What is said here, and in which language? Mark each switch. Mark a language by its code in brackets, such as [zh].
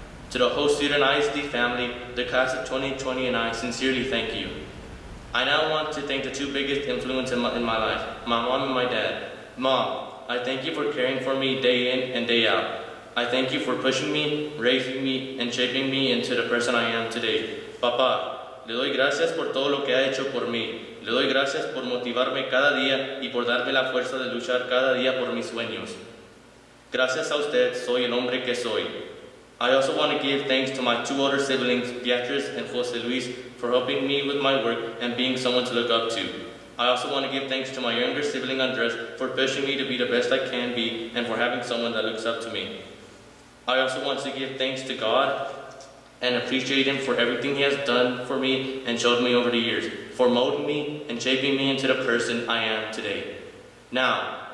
[en] To the whole Sudan ISD family, the class of 2020 and I sincerely thank you. I now want to thank the two biggest influences in my life, my mom and my dad. Mom, I thank you for caring for me day in and day out. I thank you for pushing me, raising me, and shaping me into the person I am today. [es] Papa, le doy gracias por todo lo que ha hecho por mí. Le doy gracias por motivarme cada día y por darme la fuerza de luchar cada día por mis sueños. Gracias a usted, soy el hombre que soy. [en] I also want to give thanks to my two older siblings, Beatriz and Jose Luis, for helping me with my work and being someone to look up to. I also want to give thanks to my younger sibling, Andres, for pushing me to be the best I can be and for having someone that looks up to me. I also want to give thanks to God and appreciate him for everything he has done for me and showed me over the years, for molding me and shaping me into the person I am today. Now,